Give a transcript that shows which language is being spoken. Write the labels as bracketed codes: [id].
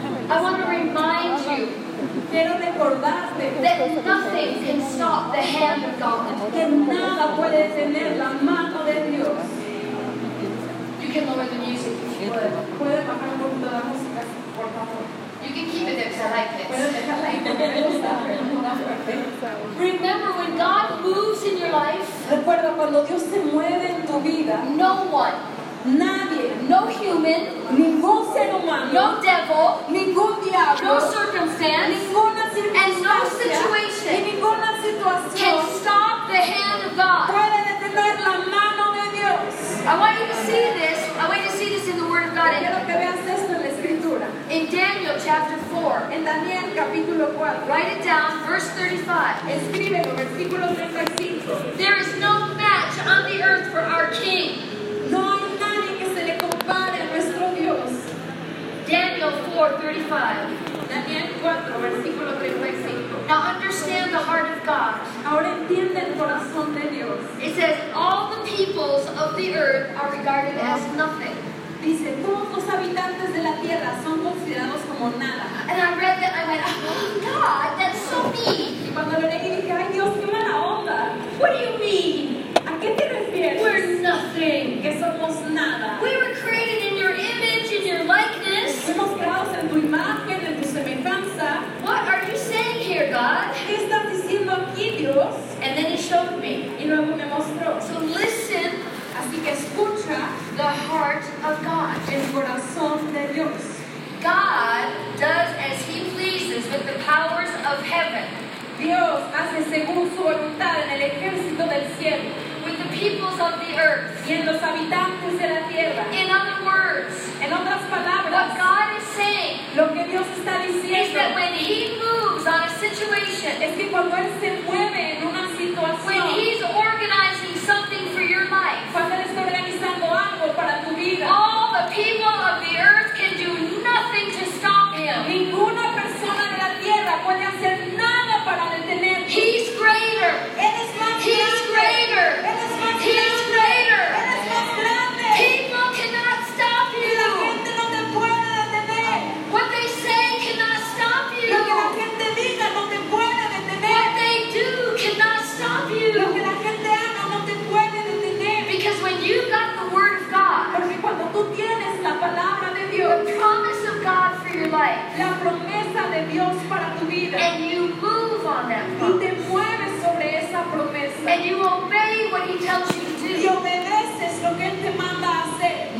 [en] I want to remind you that nothing can stop the hand of God. [es] Que nada puede detener la mano de Dios. [en] You can lower the music. [es] Puede bajar un poquito la música. [en] You can keep it there because I like it. Remember, when God moves in your life, [es] recuerda cuando Dios te mueve en tu vida, [en] no one, [es] nadie, [en] no human, [es] ningún ser humano, [en] no devil, [es] ningún diablo, [en] no circumstance, [es] ninguna circunstancia, [en] and no situation can stop the hand of God. [es] Puede detener la mano de Dios. [en] I want you to see this. I want you to see this in the Word of God. In Daniel chapter 4, [es] en Daniel capítulo 4, [en] write it down, verse 35. [es] Escríbelo, versículo 35. [en] There is no match on the earth for our king. [es] No hay nadie que se le compare a nuestro Dios. [en] Daniel 4:35. [es] Daniel 4, versículo 35. [en] Now understand the heart of God. [es] Ahora entiende el corazón de Dios. [en] It says, all the peoples of the earth are regarded as nothing. [es] Dice, todos los habitantes de la tierra son considerados como nada. [en] And I read that and I went, oh God, that's so mean. [es] Y cuando lo leí dije, ay Dios, qué mala onda. [en] What do you mean? [es] ¿A qué te refieres? [en] We're nothing. [es] Que somos nada. [en] We were created in your image, in your likeness. [es] Fuimos creados en tu imagen, en tu semejanza. [en] What are you saying here, God? [es] ¿Qué estás diciendo aquí, Dios? [en] And then he showed me. [es] Y luego me mostró. [en] So listen. [es] Así que escucha [en] the heart of God. [es] El corazón de Dios. [en] God does as he pleases with the powers of heaven. [es] Dios hace según su voluntad en el ejército del cielo. [en] With the peoples of the earth. [es] Y en los habitantes de la [en] What God is saying, [es] lo que Dios está diciendo, [en] is that when He moves on a situation, [es] es que cuando Él se mueve en una situación, [en] when He's organizing something for your life, [es] cuando Él está organizando algo para tu vida, [en] all the people of the earth can do nothing to stop Him. [es] Ninguna persona de la tierra puede hacer nada para detenerlo. [en] He's greater. [es] Él es más grande. [en] He's greater. [es] Él es más grande. [en] He's greater. [es] Él es más grande. [en] People cannot stop you. [es] La gente no te puede detener. [en] What they say cannot stop you. [es] Lo que la gente diga no te puede detener. [en] What they do cannot stop you. [es] Lo que la gente haga no te puede detener. [en] Because when you've got the word of God, [es] porque cuando tú tienes la palabra de Dios, [en] the promise of God for your life, [es] la promesa de Dios para tu vida, [en] and you move on that [es] promise, y te mueves sobre esa promesa, [en] and you obey what He tells you to do, [es] y obedeces lo que Él te manda hacer,